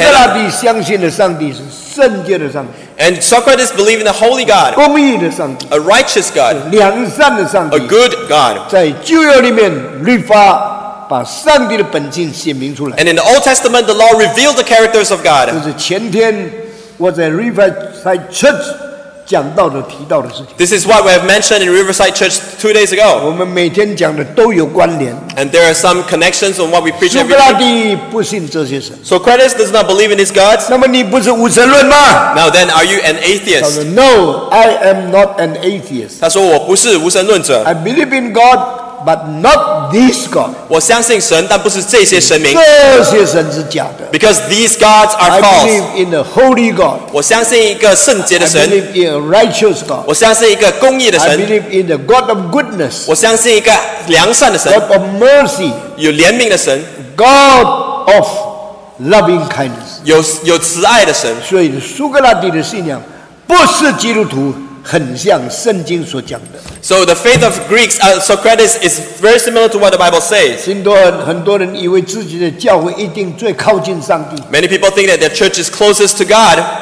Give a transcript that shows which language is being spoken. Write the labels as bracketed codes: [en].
[zh] 苏格拉底相信的上帝是圣洁的上帝, [en] And Socrates believed in the holy God, [zh] 公义的上帝, [en] a righteous God, [zh] 良善的上帝, [en] a good God. [zh] 在旧约里面, 律法, 把上帝的本性显明出来, [en] and in the Old Testament, the law revealed the characters of God. [zh] 就是前天我在Riverside Church 讲到的提到的事情, [en] this is what we have mentioned in Riverside Church 2 days ago. [zh] 我们每天讲的都有关联, [en] and there are some connections on what we preach every day. Socrates does not believe in his gods. [zh] 那么你不是无神论吗? [en] Now then, are you an atheist? [zh] 他说, [en] no, I am not an atheist. [zh] 他说我不是无神论者, [en] I believe in God, but not this God. [zh] 我相信神, 但不是这些神明, 这些神是假的, [en] because these gods are false. I believe in a holy God. [zh] 我相信一个圣洁的神, [en] I believe in a righteous God. [zh] 我相信一个公义的神, [en] I believe in the God of goodness. [zh] 我相信一个良善的神, [en] God of mercy. [zh] 有怜悯的神, [en] God of loving kindness. [zh] 有慈爱的神. 所以苏格拉底的信仰不是基督徒, 很像圣经所讲的, [en] so the faith of Greeks, Socrates, is very similar to what the Bible says. [zh] 很多人以为自己的教会一定最靠近上帝, [en] many people think that their church is closest to God.